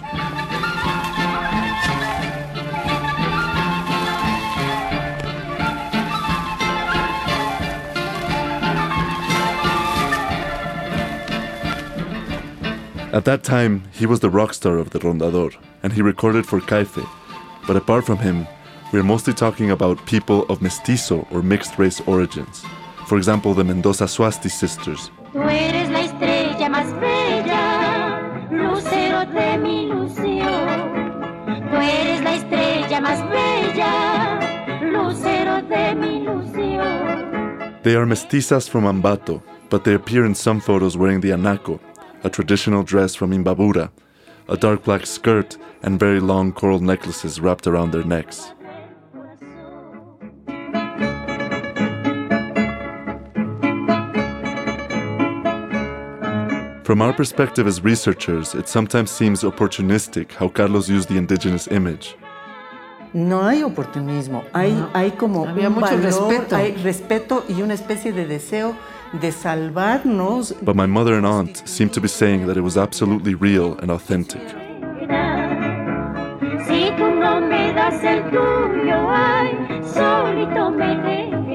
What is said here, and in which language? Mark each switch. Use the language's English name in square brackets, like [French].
[English] At that time, he was the rock star of the rondador, and he recorded for Caife. But apart from him, we are mostly talking about people of mestizo or mixed race origins. For example, the Mendoza Suasti sisters. [Spanish] Tú eres la estrella más bella, lucero de mi ilusión. Tú eres la estrella más bella, lucero de mi ilusión. [English] They are mestizas from Ambato, but they appear in some photos wearing the anaco, a traditional dress from Imbabura, a dark black skirt and very long coral necklaces wrapped around their necks. From our perspective as researchers, it sometimes seems opportunistic how Carlos used the indigenous image. [Spanish] No hay oportunismo. Hay como había un mucho valor, respeto. Hay respeto y una especie de deseo de salvarnos. [English] But my mother and aunt seem to be saying that it was absolutely real and authentic. [Spanish] Si tú no me das el tuyo, ay, solito me